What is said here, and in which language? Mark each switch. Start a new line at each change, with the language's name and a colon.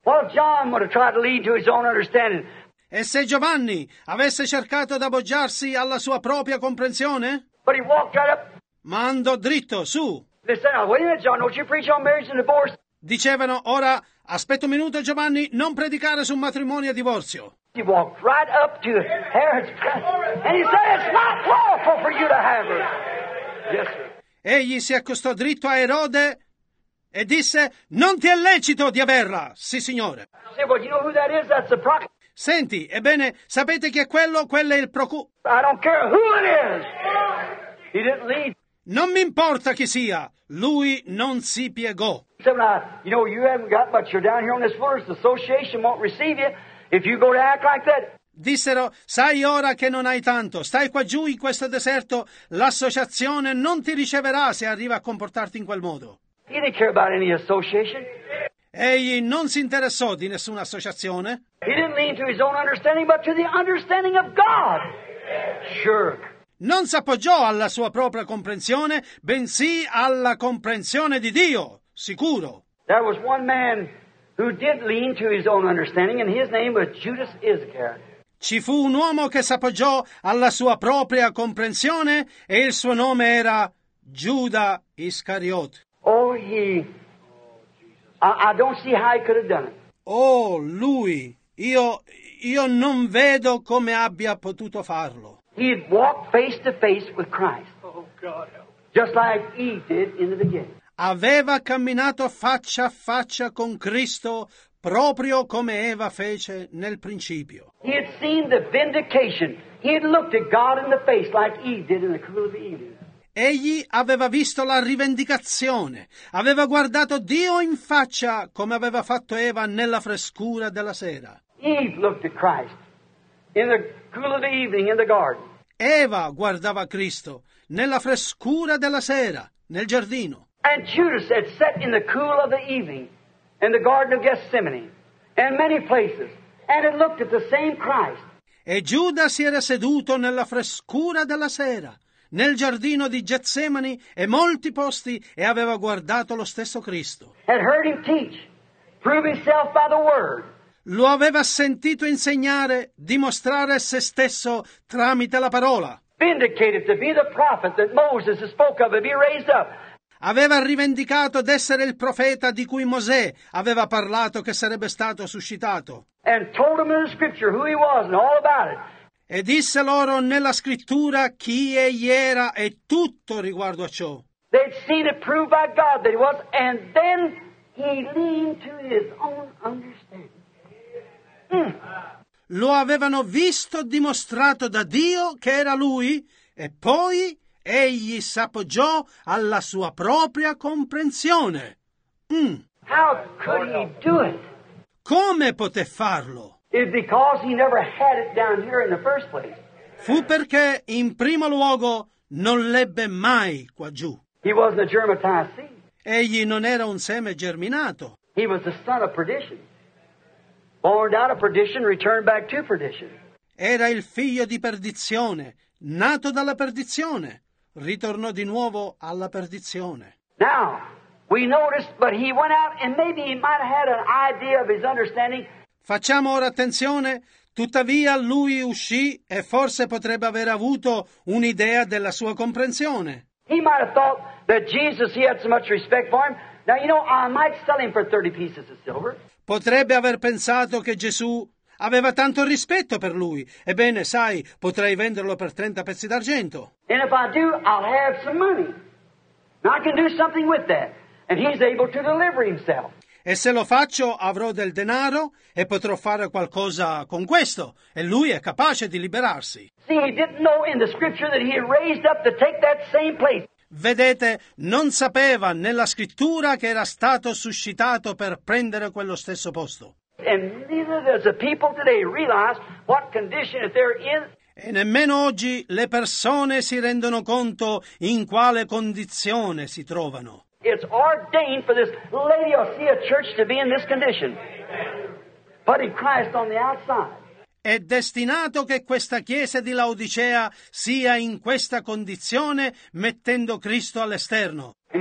English: Well, John would have tried to lead to his own understanding.
Italian: E se Giovanni avesse cercato di appoggiarsi alla sua propria comprensione?
English: But he walked right up.
Italian: Ma andò dritto su.
English: They said, oh, wait a minute, John, don't you preach on marriage and divorce?
Italian: Dicevano, ora, aspetta un minuto, Giovanni, non predicare su matrimonio e divorzio.
English: He walked right up to Herod's and he said, it's not lawful for you to have her. Yes, sir.
Italian: Egli si accostò dritto a Erode e disse, non ti è lecito di averla, sì, signore.
English: I said, well, you know who that is? That's the prophet.
Italian: Senti, ebbene, sapete chi è quello? Quello è il
English: I don't care who it is. He didn't lead.
Italian: Non mi importa chi sia, lui non si piegò.
English: So now, you know, you haven't got much, you're down here on this forest, the association won't receive you if you go to act like that.
Italian: Dissero, sai ora che non hai tanto, stai qua giù in questo deserto, l'associazione non ti riceverà se arriva a comportarti in quel modo.
English: He didn't care about any association.
Italian: Egli non si interessò di nessuna associazione.
English: He didn't lean to his own understanding, but to the understanding of God. Sure.
Italian: Non si appoggiò alla sua propria comprensione, bensì alla comprensione di Dio, sicuro.
English: There was one man who did lean to his own understanding, and his name was Judas Iscariot.
Italian: Ci fu un uomo che si appoggiò alla sua propria comprensione, e il suo nome era Giuda Iscariot.
English: Oh, he. I don't see how he could have done it.
Italian: Oh, lui, io non vedo come abbia potuto farlo.
English: He had walked face to face with Christ. Oh, God help. Just like Eve did in the beginning.
Italian: Aveva camminato faccia a faccia con Cristo, proprio come Eva fece nel principio.
English: He had seen the vindication. He had looked at God in the face like Eve did in the cool of the evening.
Italian: Egli aveva visto la rivendicazione, aveva guardato Dio in faccia come aveva fatto Eva nella frescura della sera.
English: Eve looked at Christ in the cool of the evening in the garden.
Italian: Eva guardava Cristo nella frescura della sera nel giardino.
English: And Judas had sat in the cool of the evening in the garden of Gethsemane and many places and had looked at the same Christ.
Italian: E Giuda si era seduto nella frescura della sera nel giardino di Getsemani e molti posti e aveva guardato lo stesso Cristo.
English: Had heard him teach, prove himself by the word.
Italian: Lo aveva sentito insegnare, dimostrare se stesso tramite la parola.
English: Vindicated to be the prophet that Moses spoke of and be raised up.
Italian: Aveva rivendicato d'essere il profeta di cui Mosè aveva parlato che sarebbe stato suscitato.
English: And told him in the scripture who he was and all about it.
Italian: E disse loro nella scrittura chi egli era e tutto riguardo a ciò.
English: They'd seen it proved by God that he was, and then he leaned to his own understanding.
Italian: Lo avevano visto dimostrato da Dio che era lui, e poi egli s'appoggiò alla sua propria comprensione.
English: How could he do it?
Italian: Come poté farlo?
English: Is because he never had it down here in the first place.
Italian: Fu perché in primo luogo non l'ebbe mai qua giù.
English: He wasn't a germinated seed.
Italian: Egli non era un seme germinato.
English: He was the son of perdition. Born out of perdition, returned back to perdition.
Italian: Era il figlio di perdizione, nato dalla perdizione, ritornò di nuovo alla perdizione.
English: Now, we noticed, but he went out and maybe he might have had an idea of his understanding.
Italian: Facciamo ora attenzione, tuttavia lui uscì e forse potrebbe aver avuto un'idea della sua comprensione.
English: He might have thought that Jesus, he had so much respect for him. Now, you know, I might sell him for 30 pieces of silver.
Italian: Potrebbe aver pensato che Gesù aveva tanto rispetto per lui. Ebbene, sai, potrei venderlo per 30 pezzi d'argento.
English: And if I do, I'll have some money. And I can do something with that. And he's able to deliver himself.
Italian: E se lo faccio, avrò del denaro e potrò fare qualcosa con questo. E lui è capace di liberarsi.
English: See, he didn't know in the scripture that he had raised up to take that same place.
Italian: Vedete, non sapeva nella scrittura che era stato suscitato per prendere quello stesso posto.
English: And neither does the people today realize what condition they're in.
Italian: E nemmeno oggi le persone si rendono conto in quale condizione si trovano.
English: It's ordained for this Laodicea church to be in this condition. But in Christ on the outside.
Italian: È destinato che questa chiesa di Laodicea sia in questa condizione mettendo Cristo all'esterno.